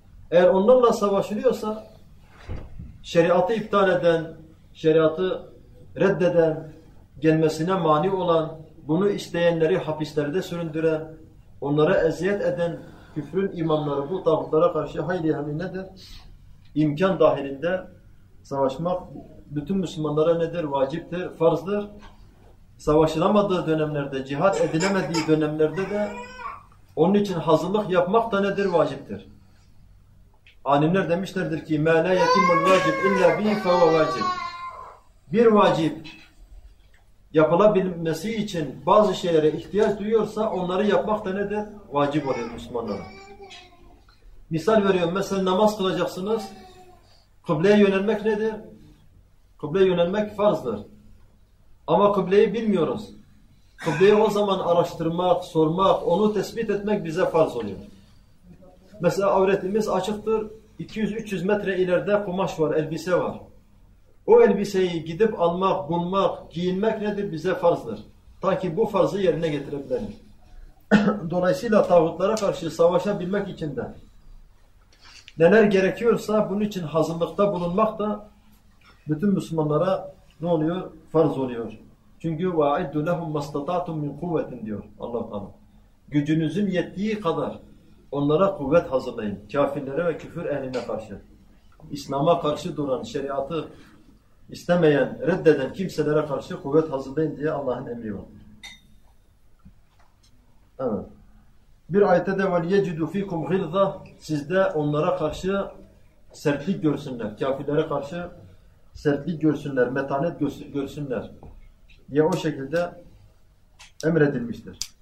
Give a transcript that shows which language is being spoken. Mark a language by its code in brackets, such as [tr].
[tr] Eğer onlarla savaşılıyorsa, şeriatı iptal eden, şeriatı reddeden, gelmesine mani olan, bunu isteyenleri hapislerde süründüren, onlara eziyet eden küfrün imamları bu tağutlara karşı hayli hali nedir? İmkan dahilinde savaşmak bütün Müslümanlara nedir? Vaciptir, farzdır. Savaşılamadığı dönemlerde, cihat edilemediği dönemlerde de onun için hazırlık yapmak da nedir? Vaciptir. Alimler demişlerdir ki [ar] مَا لَا يَتِمُ الْوَاجِبْ اِلَّا بِي فَوَ وَاجِبْ. [tr] Bir vacip yapılabilmesi için bazı şeylere ihtiyaç duyuyorsa onları yapmak da nedir? Vacip oluyor Müslümanlara. Misal veriyorum, mesela namaz kılacaksınız. Kıbleye yönelmek nedir? Kıbleye yönelmek farzdır. Ama kıbleyi bilmiyoruz. Kıbleyi o zaman araştırmak, sormak, onu tespit etmek bize farz oluyor. Mesela avretimiz açıktır. 200-300 metre ileride kumaş var, elbise var. O elbiseyi gidip almak, bulmak, giyinmek nedir? Bize farzdır. Ta ki bu farzı yerine getirebilelim. Dolayısıyla tağutlara karşı savaşabilmek için de neler gerekiyorsa bunun için hazırlıkta bulunmak da bütün Müslümanlara ne oluyor? Farz oluyor. Çünkü [ar] وَاَعِدُّ لَهُمْ مَسْتَطَعْتُمْ مِنْ قُوَّةٍ [tr] diyor Allah-u Teala. Gücünüzün yettiği kadar onlara kuvvet hazırlayın. Kafirlere ve küfür ehline karşı. İslam'a karşı duran, şeriatı istemeyen, reddeden kimselere karşı kuvvet hazırlayın diye Allah'ın emri var. Evet. Bir ayette de [ar] وَلْيَجِدُوا فِيكُمْ غِلْظَةً [tr] sizde onlara karşı sertlik görsünler, kafirlere karşı sertlik görsünler, metanet görsünler diye o şekilde emredilmiştir.